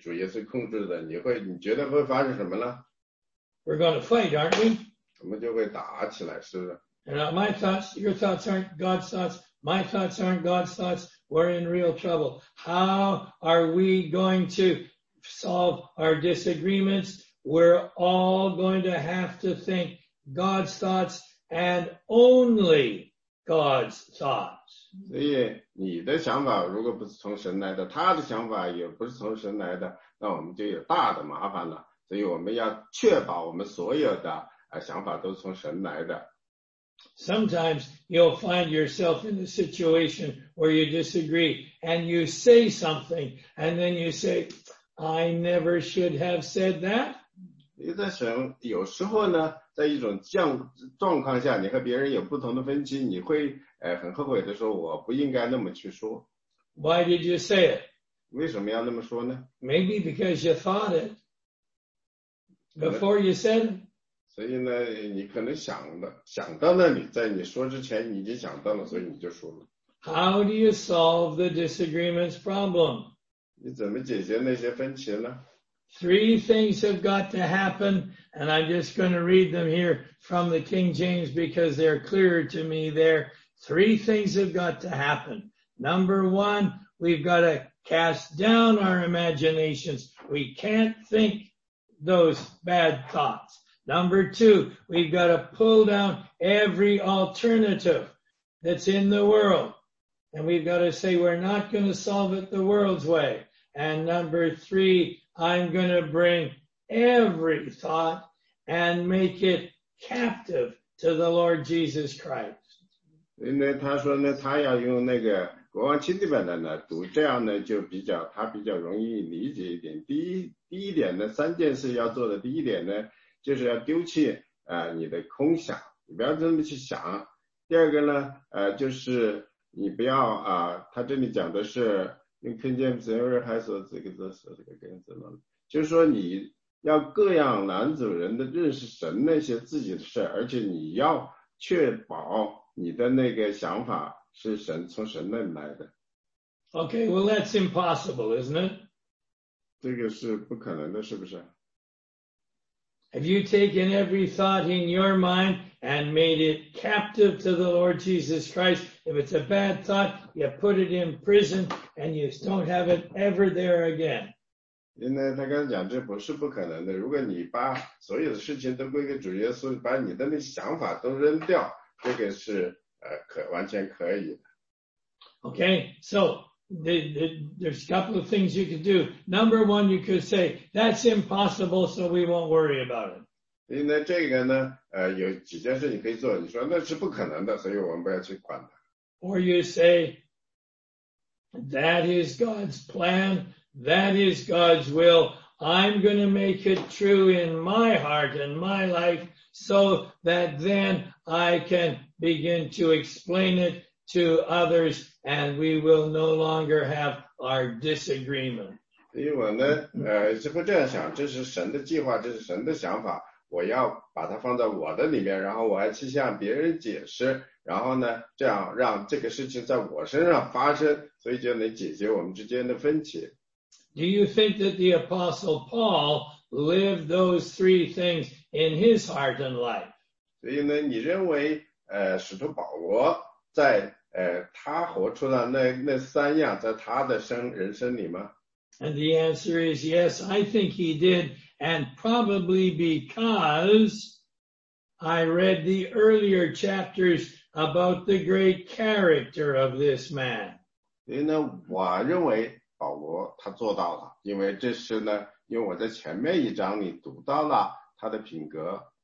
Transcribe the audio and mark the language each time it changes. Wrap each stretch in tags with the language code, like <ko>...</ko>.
<zh>如果我的想法没有,不是被主耶稣控制的,你的想法也不是被主耶稣控制的,你觉得会发生什么呢?</zh> <en>We're going to fight, aren't we?</en> <zh>我们就会打起来,是不是?</zh> <en>And not my thoughts, your thoughts aren't God's thoughts, my thoughts aren't God's thoughts, we're in real trouble. How are we going to solve our disagreements? We're all going to have to think God's thoughts and only God's thoughts.</en> <zh>所以你的想法如果不是从神来的,他的想法也不是从神来的,那我们就有大的麻烦了。所以我们要确保我们所有的想法都是从神来的。</zh> <en>Sometimes you'll find yourself in a situation where you disagree and you say something and then you say, I never should have said that.</en> <zh>有时候呢在一种状况下你和别人有不同的分歧你会很后悔的说我不应该那么去说。</zh> <en>Why did you say it?</en> <zh>为什么要那么说呢?</zh> <en>Maybe because you thought it before you said it.</en> <zh>所以呢你可能想到那里在你说之前你已经想到了所以你就说了。</zh> <en>How do you solve the disagreements problem?</en> <zh>你怎么解决那些分歧呢?</zh> <en>Three things have got to happen, and I'm just going to read them here from the King James because they're clearer to me there. Three things have got to happen. Number one, we've got to cast down our imaginations. We can't think those bad thoughts. Number two, we've got to pull down every alternative that's in the world. And we've got to say we're not going to solve it the world's way. And number three, I'm going to bring every thought and make it captive to the Lord Jesus Christ.</en> <zh>他说呢他要用那个国王钦定版的呢读这样呢就比较他比较容易理解一点。第一点呢三件事要做的第一点呢就是要丢弃你的空想你不要这么去想。第二个呢就是你不要他这里讲的是用 King James Error 还说这个跟什么就是说你要各样男主人的认识神那些自己的事而且你要确保你的那个想法是神从神那里来的。</zh> <en>Okay, well that's impossible, isn't it?</en> <zh>这个是不可能的是不是</zh> <en>Have you taken every thought in your mind and made it captive to the Lord Jesus Christ? If it's a bad thought, you put it in prison and you don't have it ever there again.</en> <zh>因为他刚才讲这不是不可能的如果你把所有的事情都归给主耶稣把你的那想法都扔掉这个是完全可以的。</zh> <en>Okay, so there's a couple of things you could do. Number one, you could say, that's impossible, so we won't worry about it.</en> <zh>因为这个呢有几件事你可以做你说那是不可能的所以我们不要去管它。</zh> <en>Or you say, that is God's plan, that is God's will, I'm going to make it true in my heart and my life, so that then I can begin to explain it to others and we will no longer have our disagreement.</en> <zh>所以我呢是不这样想这是神的计划这是神的想法我要把它放在我的里面然后我还去向别人解释然后呢这样让这个事情在我身上发生所以就能解决我们之间的分歧。</zh> <en>Do you think that the Apostle Paul lived those three things in his heart and life?</en> <zh>所以呢你认为使徒保罗在他活出了那三样在他的人生里吗</zh> <en>And the answer is yes, I think he did, and probably because I read the earlier chapters about the great character of this man.</en> <zh>所以呢我认为保罗他做到了因为这是呢因为我在前面一章里读到了他的品格。</zh>